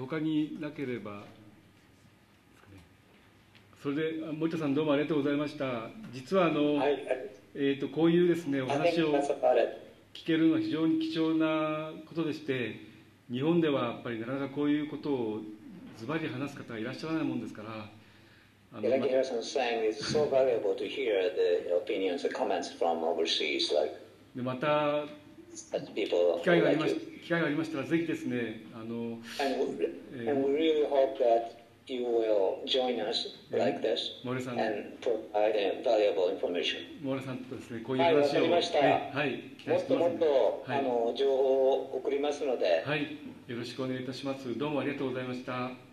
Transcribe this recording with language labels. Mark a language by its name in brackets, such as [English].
[Japanese] 他になければそれで、森田さんどうもありがとうございました。実ははい、こういうですねお話を聞けるのは非常に貴重なことでして、日本ではやっぱりなかなかこういうことをズバリ話す方がいらっしゃらないもんですから。 [English] Like Harrison saying, it's so valuable to hear the opinions and comments from overseas. [Japanese] でまた機会がありましたらぜひですね。 [English] And we really hope that you will join us like this and provide valuable information. [Japanese] モレさんとですね、こういう話を、はい、わかりました。はい、はい、もっともっと、はい、情報を送りますので。はい、よろしくお願いいたします。どうもありがとうございました。